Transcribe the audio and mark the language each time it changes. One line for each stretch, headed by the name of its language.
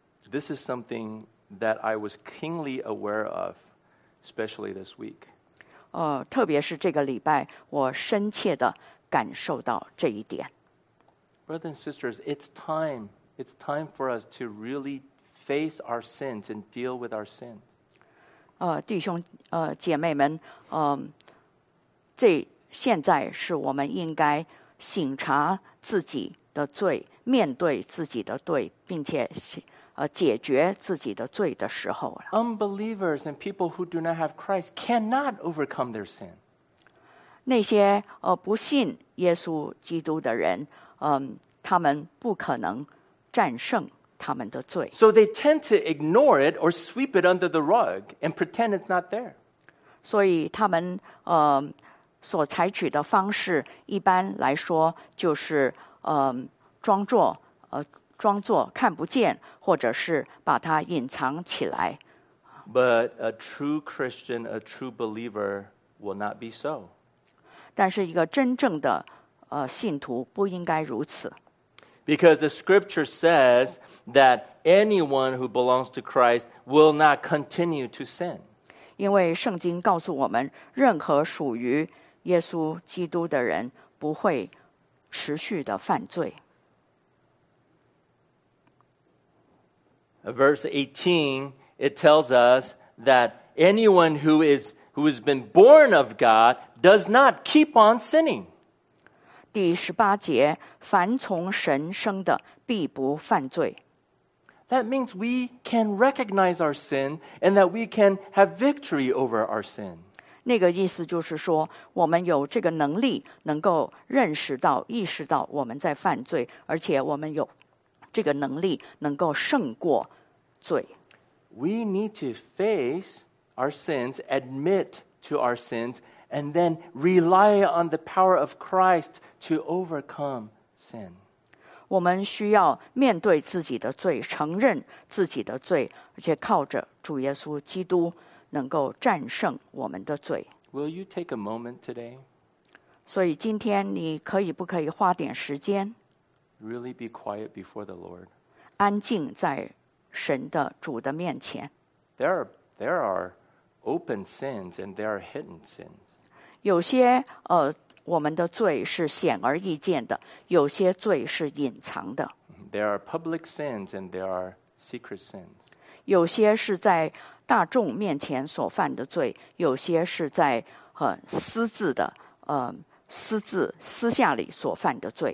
English: This is something that I was keenly aware of, especially this week.
Chinese: 特别是这个礼拜我深切地感受到这一点。
English: Brothers and sisters, it's time for us to really face our sins and deal with our sin.
Chinese: 弟兄姐妹们这现在是我们应该省察自己的罪面对自己的罪并且解决自己的罪的时候了。
English: Unbelievers and people who do not have Christ cannot overcome their sin.
Chinese: 那些不信耶稣基督的人他们不可能战胜他们的罪。
English: So they tend to ignore it or sweep it under the rug and pretend it's not there.
Chinese: 所以他们所采取的方式一般来说就是装作看不见或者是把它隐藏起来。
English: But a true Christian, a true believer will not be so.
Chinese: 但是一个真正的信徒不应该如此。
English: Because the scripture says that anyone who belongs to Christ will not continue to sin.
Chinese: 因为圣经告诉我们，任何属于耶稣基督的人不会持续的犯罪。
English: Verse 18, it tells us that anyone who has been born of God does not keep on sinning.
Chinese: 第十八节，凡从神生的必不犯罪。
English: That means we can recognize our sin and that we can have victory over our sin.
Chinese: 那个意思就是说，我们有这个能力，能够认识到、意识到我们在犯罪，而且我们有这个能力能够胜过罪。
English: We need to face our sins, admit to our sins. And then rely on the power of Christ to overcome sin.
Chinese: 我们需要面对自己的罪，承认自己的罪，而且靠着主耶稣基督能够战胜我们的罪。
English: Will you take a moment today?
Chinese: 所以今天你可以不可以花点时间
English: ？Really be quiet before the Lord.
Chinese: 安静在神的主的面前。
English: There are open sins and there are hidden sins.
Chinese: 有些我们的罪是显而易见的，有些罪是隐藏的。
English: There are public sins and there are secret sins.
Chinese: 有些是在大众面前所犯的罪，有些是在私下里所犯的罪。